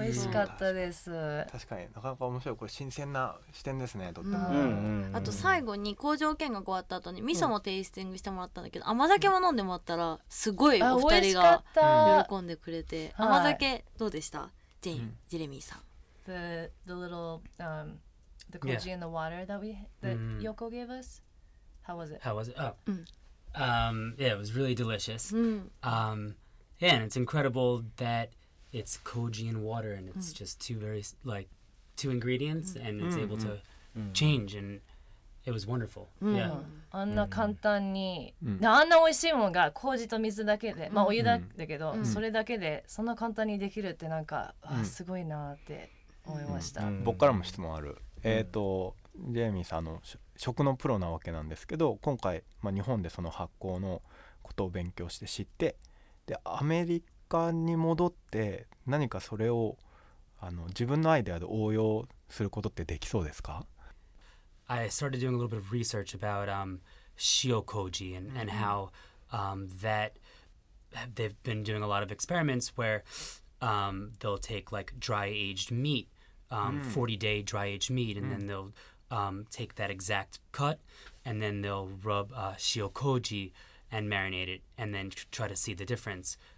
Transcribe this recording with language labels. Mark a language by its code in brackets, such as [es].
[ja] 美味しかったです、うん、確かになかなか面白い、これ新鮮な視点ですね、とっても、うんうんうん、あと最後に工場見学終わった後に味噌もテイスティングしてもらったんだけど、うん、甘酒も飲んでもらったらすごいお二人が喜んでくれて、うん、甘酒どうでした？はい、ジェイン、ジェレミーさん、 [en] the little the koji in the water that we that Yoko gave us, how was it? Yeah, it was really delicious. Yeah, and it's incredible that it's koji and water, and it's just two very like two ingredients, and it's able to change, and it was wonderful. Yeah. [ja] あんな簡単に、あんな美味しいものが麹と水だけで、まあお湯だけど、それだけでそんな簡単にできるってなんかすごいなって思いました。僕からも質問ある。ジェイミーさんの食のプロなわけなんですけど、今回、まあ、日本でその発酵のことを勉強して知って、でアメリカに戻って何かそれをあの自分のアイデアで応用することってできそうですか？ [en] I started doing a little bit of research about shio koji and how that they've been doing a lot of experiments where they'll take like dry aged meat 40 day dry aged meat and then they'lltake that exact cut and then they'll rub shio koji and marinate it and then try to see the difference.